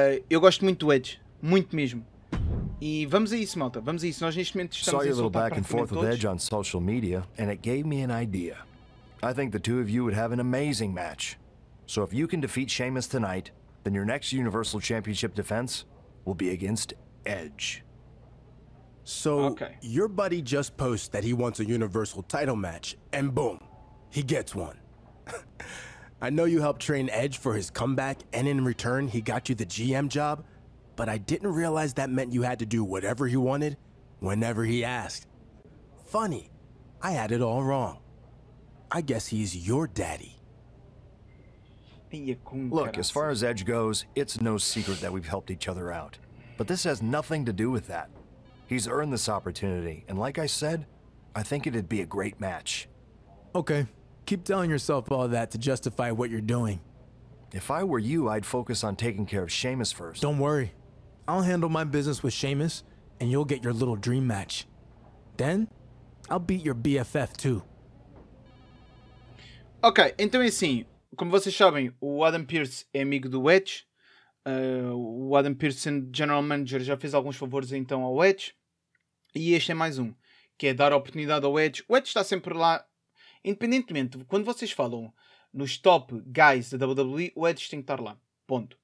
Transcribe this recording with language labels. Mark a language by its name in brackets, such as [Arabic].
[Portuguese] Eu gosto muito do Edge, muito mesmo. E vamos a isso, malta, vamos a isso. Nós neste momento estamos a soltar praticamente todos. [English] Edge on social media, and it gave me an idea. I think the two of you would have an amazing match. So if you can defeat Sheamus tonight, then your next Universal Championship defense will be against Edge. So Your buddy just posts that he wants a Universal title match, and boom, he gets one. I know you helped train Edge for his comeback, and in return he got you the GM job, but I didn't realize that meant you had to do whatever he wanted, whenever he asked. Funny, I had it all wrong. I guess he's your daddy. Look, as far as Edge goes, it's no secret that we've helped each other out. But this has nothing to do with that. He's earned this opportunity, and like I said, I think it'd be a great match. Okay, keep telling yourself all that to justify what you're doing. If I were you, I'd focus on taking care of Sheamus first. Don't worry. I'll handle my business with Sheamus, and you'll get your little dream match. Then, I'll beat your BFF too. [Portuguese] Ok, então é assim, como vocês sabem, o Adam Pearce é amigo do Edge, o Adam Pearce sendo General Manager já fez alguns favores então ao Edge, e este é mais um, que é dar a oportunidade ao Edge. O Edge está sempre lá, independentemente, quando vocês falam nos top guys da WWE, o Edge tem que estar lá, ponto.